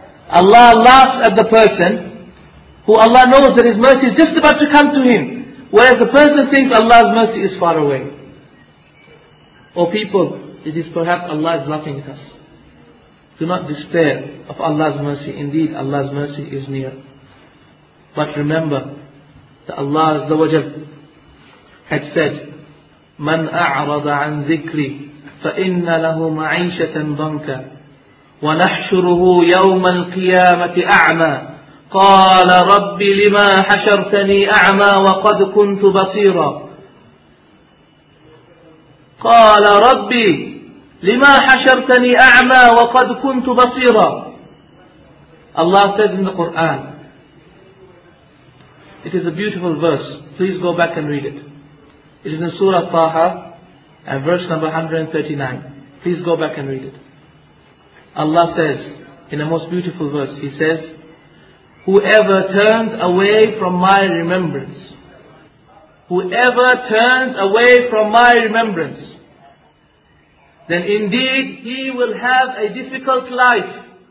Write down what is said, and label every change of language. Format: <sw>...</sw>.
<en>Allah laughs at the person who Allah knows that his mercy is just about to come to him, whereas the person thinks Allah's mercy is far away. O people, it is perhaps Allah is laughing at us. Do not despair of Allah's mercy. Indeed, Allah's mercy is near. But remember that Allah Azza wa Jal had said,</en> <ar>مَنْ أَعْرَضَ عَنْ ذِكْرِي فَإِنَّ لَهُ مَعِيشَةً ضَنْكَ وَنَحْشُرُهُ يَوْمَ الْقِيَامَةِ أَعْمَى قَالَ رَبِّ لِمَا حَشَرْتَنِي أَعْمَى وَقَدْ كُنْتُ بَصِيرًا قَالَ رَبِّ لِمَا حَشَرْتَنِي أَعْمَى وَقَدْ كُنْتُ بَصِيرًا.</ar> <en>Allah says in the Quran, it is a beautiful verse, please go back and read it. It is in Surah Taha and verse number 139. Please go back and read it. Allah says, in a most beautiful verse, He says, whoever turns away from my remembrance, whoever turns away from my remembrance, then indeed he will have a difficult life.</en>